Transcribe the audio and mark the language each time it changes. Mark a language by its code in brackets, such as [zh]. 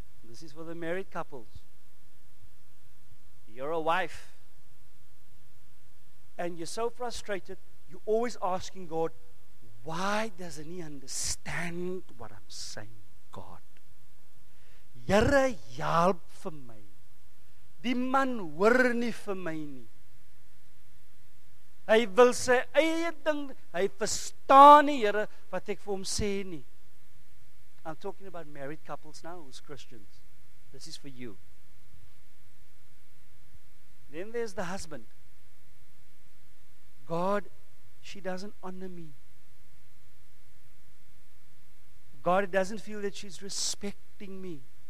[en] This is for the married couples. You're a wife. And you're so frustrated, you're always asking God, why doesn't he understand what I'm saying, God? Here, help for me. [af] Die man hoor nie vir my nie. Hy wil sy eie ding, hy verstaan nie, Here, wat ek vir hom sê nie. [en] I'm talking about married couples now, who's Christians. This is for you. Then there's the husband. God, she doesn't honor me. God doesn't feel that she's respecting me.